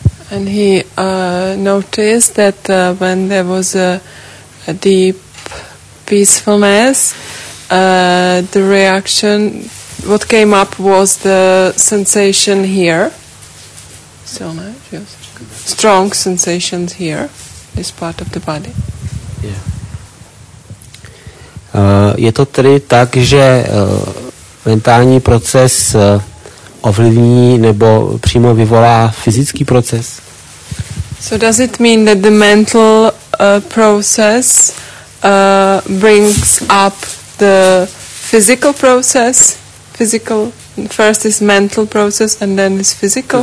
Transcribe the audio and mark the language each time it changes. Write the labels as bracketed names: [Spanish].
[English] And he noticed that when there was a deep peacefulness, the reaction, what came up was the sensation here. So nice, yes. Strong sensations here, this part of the body. [Czech] Je to tedy tak, že mentální proces ovlivní nebo přímo vyvolá fyzický proces? [English] So does it mean that the mental process brings up the physical process? Physical, first is mental process and then is physical?